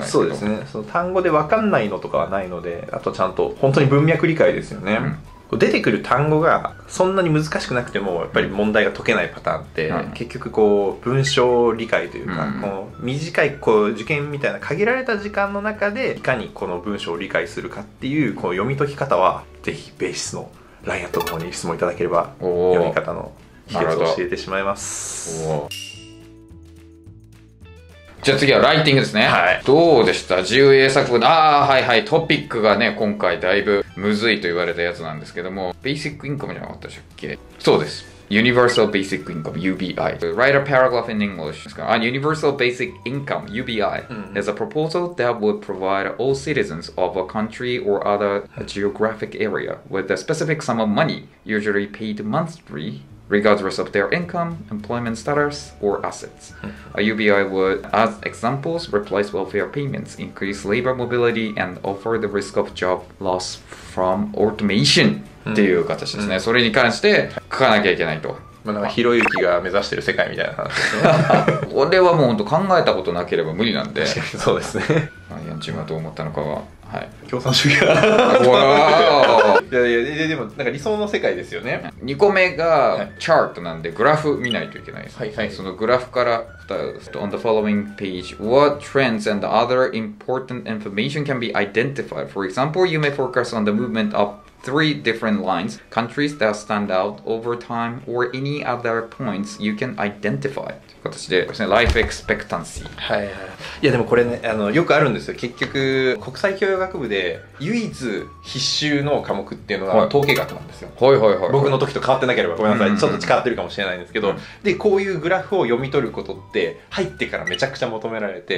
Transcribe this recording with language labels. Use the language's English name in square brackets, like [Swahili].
[Japanese] ですけど、そうですね、その単語で分かんないのとかはないので、あとちゃんと本当に文脈理解ですよね、うん、出てくる単語がそんなに難しくなくてもやっぱり問題が解けないパターンって、うん、結局こう文章理解というか、うん、この短いこう受験みたいな限られた時間の中でいかにこの文章を理解するかっていうこう読み解き方は、ぜひベーシスのラインアットの方に質問いただければ、読み方の秘訣を教えてしまいます。おじゃあ次はライティングですね、はい、どうでした自由英作文、ああはいはい、トピックがね今回だいぶむずいと言われたやつなんですけども、ベーシックインカムじゃなかったでしたっけ。そうです、 [English] ユニバーサルベーシックインカム UBI、 Write a paragraph in English [Japanese] ですから、 [English] Universal Basic Income UBI、うん、is a proposal that would provide all citizens of a country or other geographic area with a specific sum of money usually paid monthlyRegardless of their income, employment status, or assets. A UBI would, as examples, replace welfare payments, increase labor mobility, and offer the risk of job loss from automation. [Japanese] っていう形ですね。それに関して書かなきゃいけないと。まあ、なんかひろゆきが目指してる世界みたいな話ですね。俺はもう本当考えたことなければ無理なんで。確かにそうですね。アイアンチームはどう思ったのかは。はい、共産主義だな。いやいや、でもなんか理想の世界ですよね。 2個目がチャートなんでグラフ見ないといけないです、はいはい、そのグラフから答えを出すと、 [English] On the following page, what trends and other important information can be identified? For example, you may focus on the movement of three different lines, countries that stand out over time, or any other points you can identify. [Japanese] 形でですね、Life Expectancy、はいはい、いやでもこれね、あのよくあるんですよ、結局国際教養学部で唯一必修の科目っていうのは統計学なんですよ、はいはいはいはい、僕の時と変わってなければごめんなさい、うんうん、ちょっと変わってるかもしれないんですけど、うん、でこういうグラフを読み取ることって入ってからめちゃくちゃ求められて、